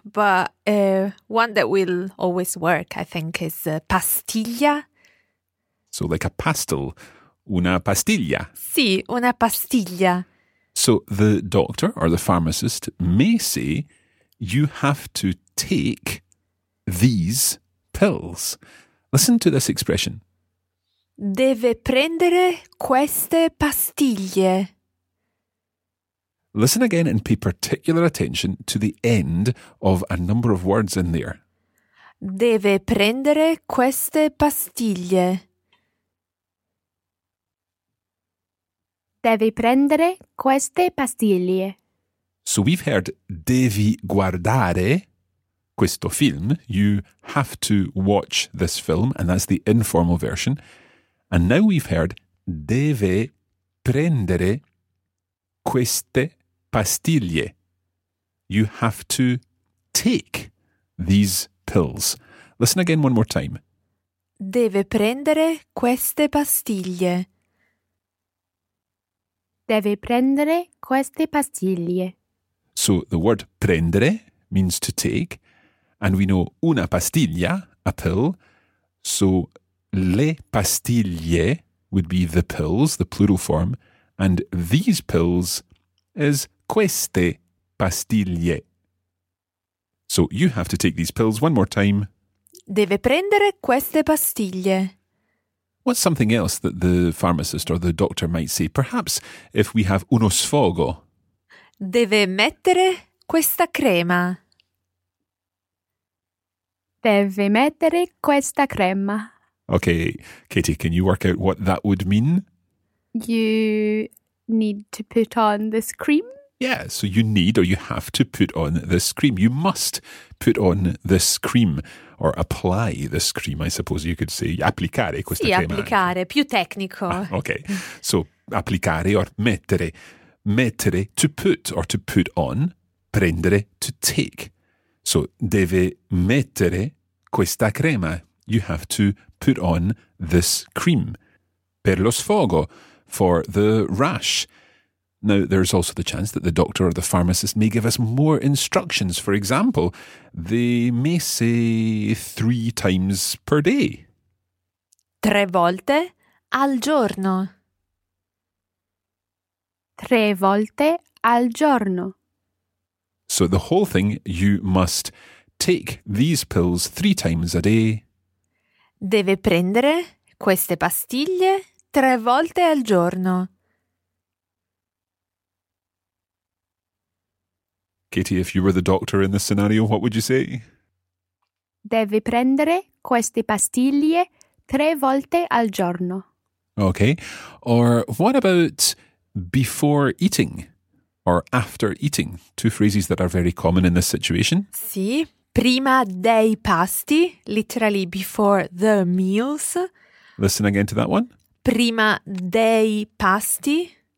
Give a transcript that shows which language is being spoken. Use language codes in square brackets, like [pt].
[en] But one that will always work, I think, is pastiglia. So like a pastel, una pastiglia. [it] Sì, una pastiglia. [en] So the doctor or the pharmacist may say, you have to take these pills. Listen to this expression. [it] Deve prendere queste pastiglie. [en] Listen again and pay particular attention to the end of a number of words in there. [it] Deve prendere queste pastiglie. Deve prendere queste pastiglie. [en] So we've heard [it] devi guardare questo film. [en] You have to watch this film, and that's the informal version. And now we've heard [it] deve prendere queste pastiglie. [en] You have to take these pills. Listen again one more time. [it] Deve prendere queste pastiglie. Deve prendere queste pastiglie. [en] So the word prendere means to take, and we know una pastiglia, a pill, so le pastiglie would be the pills, the plural form, and these pills is [it] queste pastiglie. [en] So you have to take these pills one more time. [it] Deve prendere queste pastiglie. [en] What's something else that the pharmacist or the doctor might say? Perhaps if we have [it] uno sfogo. Deve mettere questa crema. Deve mettere questa crema. [en] Okay, Katie, can you work out what that would mean? You need to put on this cream. Yeah, so you need or you have to put on this cream. You must put on this cream or apply this cream, I suppose you could say. [it] Applicare questa crema. Sì, applicare, più tecnico. [en] Ah, okay, so applicare or mettere. Mettere, to put or to put on. Prendere, to take. [it] So deve mettere questa crema. [en] You have to put on this cream. [it] Per lo sfogo, [en] for the rash. Now, there's also the chance that the doctor or the pharmacist may give us more instructions. For example, they may say three times per day. [it] Tre volte al giorno. Tre volte al giorno. [en] So the whole thing, you must take these pills three times a day. [it] Deve prendere queste pastiglie tre volte al giorno. [en] Katie, if you were the doctor in this scenario, what would you say? [it] Deve prendere queste pastiglie tre volte al giorno. [en] Okay. Or what about before eating or after eating? Two phrases that are very common in this situation. [it] Sì, prima dei pasti, [en] literally before the meals. Listen again to that one. [it] Prima dei pasti.